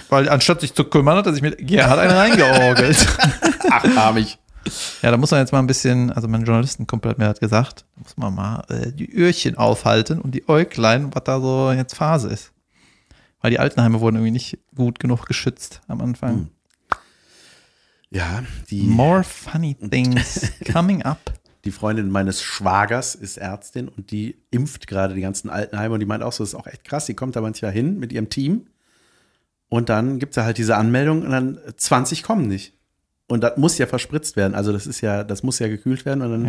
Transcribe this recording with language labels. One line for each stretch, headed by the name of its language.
German: Weil anstatt sich zu kümmern, hat er sich mit Gerhard einen reingeorgelt. Ach, hab ich. Ja, da muss man jetzt mal ein bisschen, also mein Journalistenkumpel hat mir das gesagt, da muss man mal die Öhrchen aufhalten und die Äuglein, was da so jetzt Phase ist. Weil die Altenheime wurden irgendwie nicht gut genug geschützt am Anfang. Ja, die
English: More funny things coming up.
German: die Freundin meines Schwagers ist Ärztin und die impft gerade die ganzen Altenheime und die meint auch so, das ist auch echt krass, die kommt da manchmal hin mit ihrem Team und dann gibt es da halt diese Anmeldung und dann 20 kommen nicht. Und das muss ja verspritzt werden. Also das ist ja, das muss ja gekühlt werden. Und dann,